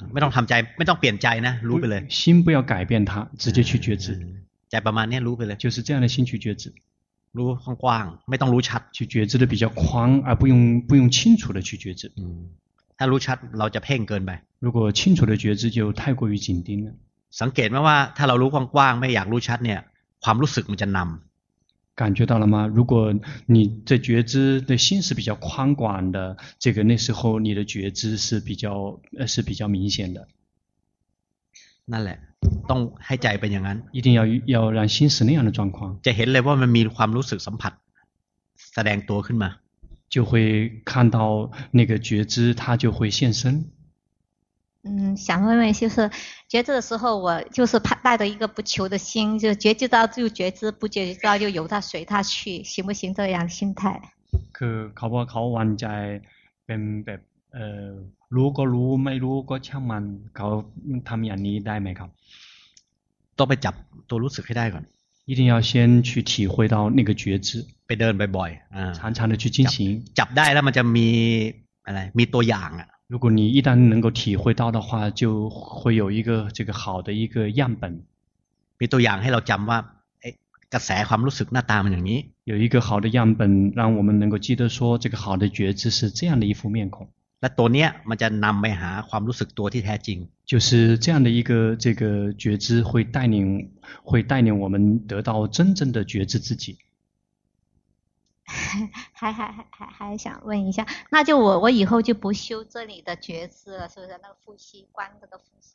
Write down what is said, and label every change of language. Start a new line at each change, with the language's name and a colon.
Thai: ไม่ต้องทำใจไม่ต้องเปลี่ยนใจนะรู้ไปเลย
Chinese: 心不要改变它直接去觉知
Thai: ใจประมาณนี้รู้ไปเลย
Chinese: 就是这样的心去觉知
Thai: รู้กว้างๆไม่ต้องรู้ชัด
Chinese: 去觉知的比较宽而不用清楚的去觉知
Thai: ถ้ารู้ชัดเราจะเพ่งเกินไป
Chinese: 如果清楚的觉知就太过于紧盯了
Thai: สังเกตไหมว่าถ้าเรารู้กว้างๆไม่อยากรู้ชัดเนี่ยความรู้สึกมันจะนำ
Chinese: 感觉到了吗如果你的觉知的心是比较宽广的这个那时候你的觉知是比较明显的
Thai: นั่นแหละต้องให้ใจเป็นอย่างนั้น
Chinese: 一定要让心是那样的状况
Thai: จะเห็นเลยว่ามันมีความรู้สึกสัมผัสแสดงตัวขึ้นมา
Chinese: 就会看到那个觉知它就会现身想问问就是觉知的时候我就是带着一个不求的心就觉知到就觉知不觉知到就由它随它去行不行这样的心态
Thai: คือเขาบอกเขาวันใจเป็นแบบรู้ก็รู้ไม่รู้ก็ช่างมันเขาทำอย่างนี้ได้ไหมครับ ต้องไปจับตัวรู้สึกให้ได้ก่อน
Chinese: 一定要先去体会到那个觉知
Thai: ไปเดินบ่อยๆ
Chinese: 常常的去进行
Thai: จับได้แล้วมันจะมีอะไรมีตัวอย่างอ่ะ
Chinese: 如果你一旦能够体会到的话就会有一个这个好的一个样本比如像给我们讲说
Thai: กระแสความรู้สึกหน้าตามันอย่างนี้
Chinese: 有一个好的样本让我们能够记得说这个好的觉知是这样的一副面孔
Thai: และตัวเนี้ยมันจะนำไปหาความรู้สึกตัวที่แท้จริง
Chinese: 就是这样的一个这个觉知会带领我们得到真正的觉知自己还想问一下那就我以后就不修这里的觉知了是不是那个呼吸观这个呼吸